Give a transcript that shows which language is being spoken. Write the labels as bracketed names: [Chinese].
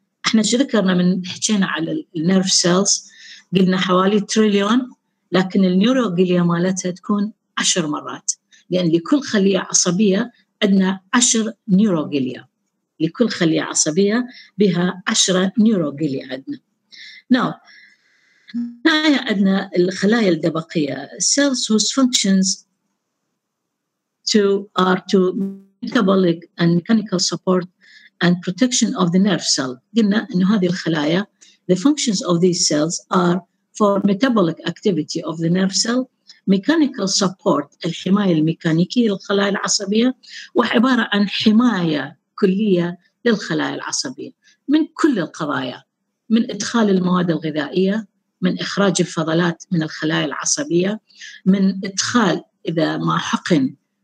[Arabic] احنا شو ذكرنا من حكينا على النيرف سيلز؟ قلنا حوالي تريليون، لكن النيوروغليا مالتها تكون 10 مرات، لان لكل خلية عصبية عندنا 10 نيوروغليا، لكل خلية عصبية بها 10 نيوروغليا عندنا. ناو هاي عندنا الخلايا الدبقية، [English] cells whose functions are to metabolic and mechanical support and protection of the nerve cell. [Arabic] قلنا إنه هذه الخلايا [English] the functions of these cells are for metabolic activity of the nerve cell, mechanical support [Arabic] الحماية الميكانيكية للخلايا العصبية، وعبارة عن حماية كلية للخلايا العصبية من كل القضايا، من إدخال المواد الغذائية، من إخراج الفضلات من الخلايا العصبية، من إدخال إذا ما حقن